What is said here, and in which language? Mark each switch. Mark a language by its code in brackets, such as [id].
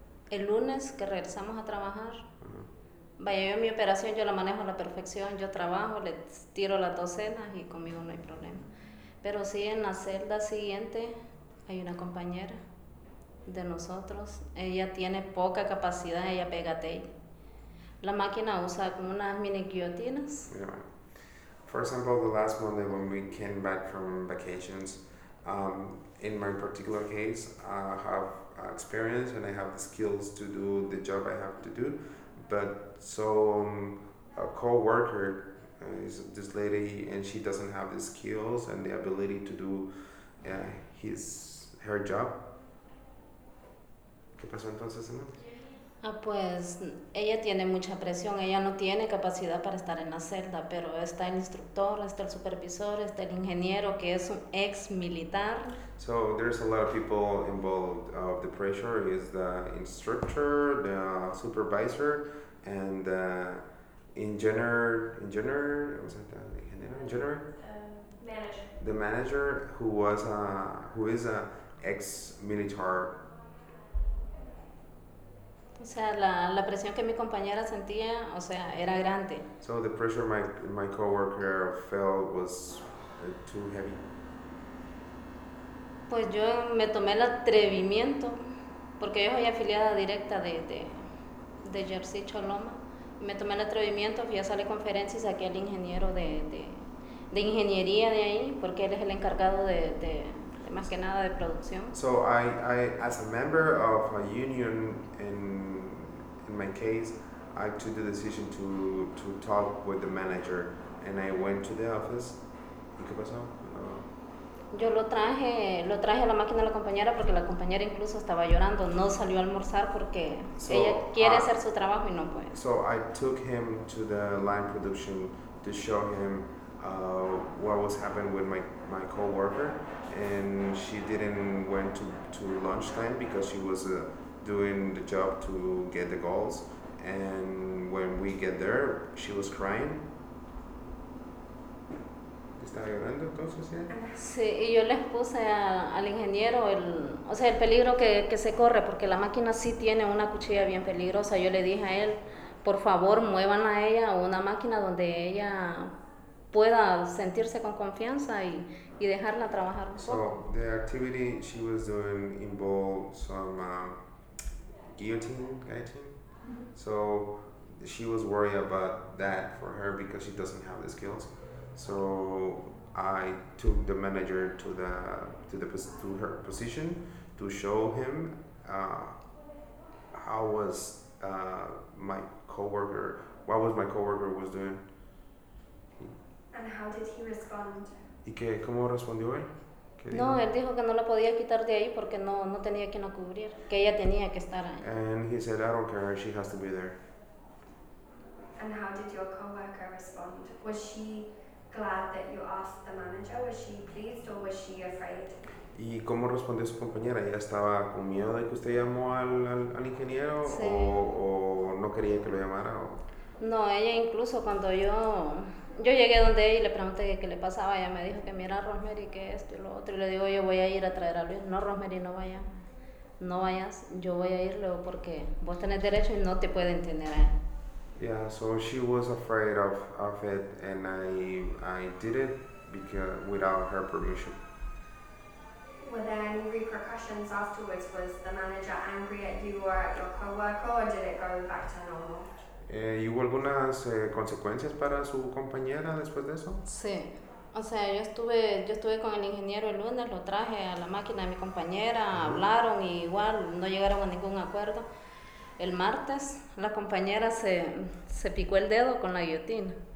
[es] El lunes que regresamos a trabajar, uh-huh. Vaya, yo mi operación, yo la manejo a la perfección, yo trabajo, le tiro las docenas y conmigo no hay problema. Pero sí, en la celda siguiente hay una compañera de nosotros, ella tiene poca capacidad, ella pega tape. La máquina usa como unas mini guillotinas. [en] Yeah. For example, the last Monday when we came back from vacations, in my particular case, experience and I have the skills to do the job I have to do, but a co-worker is this lady and she doesn't have the skills and the ability to do her job. [es] ¿Qué pasó entonces, Emma? Ah, pues ella tiene mucha presión, ella no tiene capacidad para estar en la celda, pero está el instructor, está el supervisor, está el ingeniero, que es un ex militar. [en] So there's a lot of people involved. The pressure is the instructor, the supervisor, and the engineer, was that the engineer? Manager. The manager who is a ex-militar. [es] O sea, la presión que mi compañera sentía, o sea, era grande. [en] So the pressure my coworker felt was too heavy. [es] Pues yo me tomé el atrevimiento, porque yo soy afiliada directa de Jersey Choloma, me tomé el atrevimiento, fui a hacerle conferencia y saqué al ingeniero de ingeniería de ahí, porque él es el encargado de más que nada de producción. [en] So I as a member of a union in my case, I took the decision to talk with the manager and I went to the office. [es] ¿Y qué pasó? Yo lo traje a la máquina de la compañera porque la compañera incluso estaba llorando, no salió a almorzar porque ella quiere hacer su trabajo y no puede. [en] So I took him to the line production to show him what was happening with my coworker, and she didn't went to lunchtime because she was doing the job to get the goals, and when we get there, she was crying. [es] ¿Está llorando entonces ya? Sí, y yo le puse al ingeniero o sea, el peligro que se corre, porque la máquina sí tiene una cuchilla bien peligrosa. Yo le dije a él, por favor, muevan a ella a una máquina donde ella pueda sentirse con confianza y dejarla trabajar un poco. [en] So the activity she was doing involved some guillotine. So she was worried about that for her because she doesn't have the skills. So I took the manager to her position to show him how was my coworker what was my coworker was doing. And how did he respond? [es] ¿Y qué? ¿Cómo respondió él? ¿Qué No, dijo? él dijo que no la podía quitar de ahí porque no tenía quien la cubrir, que ella tenía que estar ahí. [en] And he said, "I don't care, she has to be there." And how did your coworker respond? Was she glad that you asked the manager? Was she pleased or was she afraid? [es] ¿Y cómo respondió su compañera? ¿Ella estaba con miedo de que usted llamó al ingeniero Sí. o no quería que lo llamara? ¿O? No, ella incluso cuando yo llegué donde ella y le pregunté qué le pasaba. Ella me dijo que mira Rosemary, que esto y lo otro. Y le digo, yo voy a ir a traer a Luis. No, Rosemary, no vayas. No vayas. Yo voy a ir luego porque vos tenés derecho y no te pueden tener ahí. [en] Yeah, so she was afraid of it, and I did it because without her permission. Were there any repercussions afterwards? Was the manager angry at you or at your coworker, or did it go back to normal? [es] ¿Y hubo algunas consecuencias para su compañera después de eso? Sí, o sea, yo estuve con el ingeniero el lunes, lo traje a la máquina de mi compañera, hablaron y igual no llegaron a ningún acuerdo. El martes la compañera se picó el dedo con la guillotina.